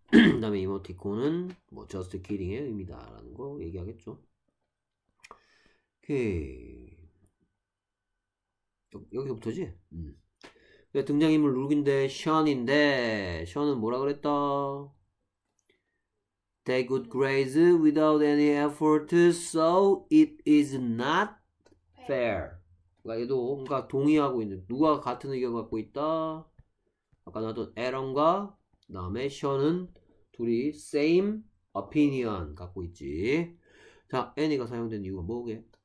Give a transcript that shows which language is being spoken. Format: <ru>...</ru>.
<ko>그다음에 이모티콘은 뭐</ko> <en>just kidding</en> <ko>의 의미다라는 거 얘기하겠죠. 오케이. 여기부터지? 등장인물 룩인데 션인데 션은 뭐라 그랬다?</ko> <en>They good grades without any effort, so it is not fair.</en> <ko>그러니까 얘도 뭔가 동의하고 있는 누가 같은 의견 갖고 있다. 아까 나왔던 에런과 그다음에 션은 둘이</ko> <en>same opinion</en> <ko>갖고 있지. 자, 애니가 사용된 이유가 뭐게?</ko>